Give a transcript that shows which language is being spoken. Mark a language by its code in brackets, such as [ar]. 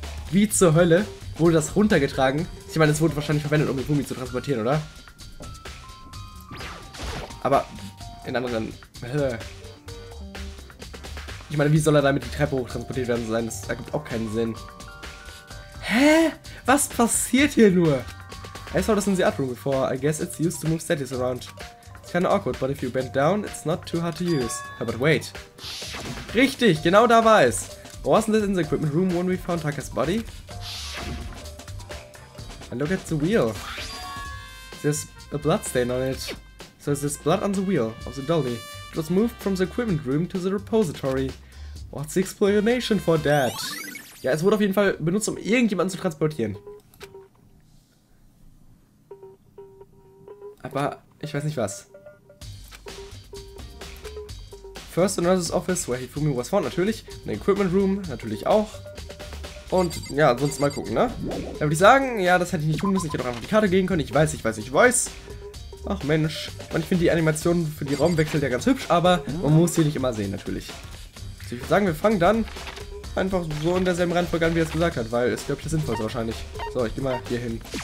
[de] Wie zur Hölle wurde das runtergetragen? Ich meine, es wurde wahrscheinlich verwendet, um Hifumi zu transportieren, oder? Aber in anderen... Ich meine, wie soll er damit die Treppe hochtransportiert werden sein? Das ergibt auch keinen Sinn. Hä? Was passiert hier nur? [en] I saw this in the art room before. I guess it's used to move statues around. It's kinda awkward, but if you bend down, it's not too hard to use. Yeah, but wait. [de] Richtig, genau da war es. [en] Wasn't this in the equipment room when we found Taka's body? And look at the wheel. There's a blood stain on it. So there's blood on the wheel of the dolly. It was moved from the equipment room to the repository. What's the explanation for that? [de] Ja, es wurde auf jeden Fall benutzt, um irgendjemanden zu transportieren. Aber ich weiß nicht was. [en] First the nurse's office, where Hifumi was found, natürlich. The equipment room, [de] natürlich auch. Und ja, sonst mal gucken, ne? Da würde ich sagen, ja, das hätte ich nicht tun müssen. Ich hätte doch einfach die Karte gehen können. Ich weiß. Ach Mensch. Und ich finde die Animation für die Raumwechsel ja ganz hübsch, aber man muss sie nicht immer sehen, natürlich. Also ich würde sagen, wir fangen dann einfach so in derselben Reihenfolge an, wie er es gesagt hat, weil es, glaube ich, das Sinnvollste wahrscheinlich. So, ich gehe mal hier hin.